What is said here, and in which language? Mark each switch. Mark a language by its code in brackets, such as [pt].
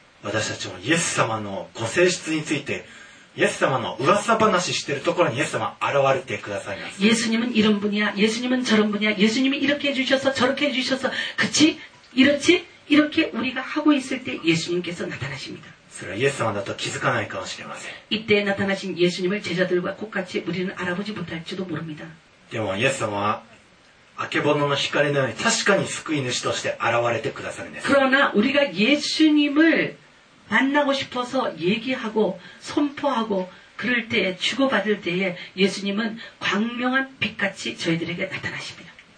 [ja] 私たちもイエス様のご性質についてイエス様の噂話してるところにイエス様現れてくださいます。 [ko] イエス님은이런분이야예수님은저런분이야예수님이이렇게해주셔서저렇게해주셔서그치이렇지이렇게우리가하고있을때예수님께서나타나십니다 [ja] それはイエス様だと気づかないかもしれません。 [ko] 이때나타나신예수님을제자들과똑같이우리는알아보지못할지도모릅니다 [ja] でもイエス様は아けぼのの光のように確かに救い主として現れてくださるんです。 [ko] 그러나우리가예수님을만나고싶어서얘기하고선포하고그럴때에주고받을때에예수님은광명한빛같이저희들에게나타나십니다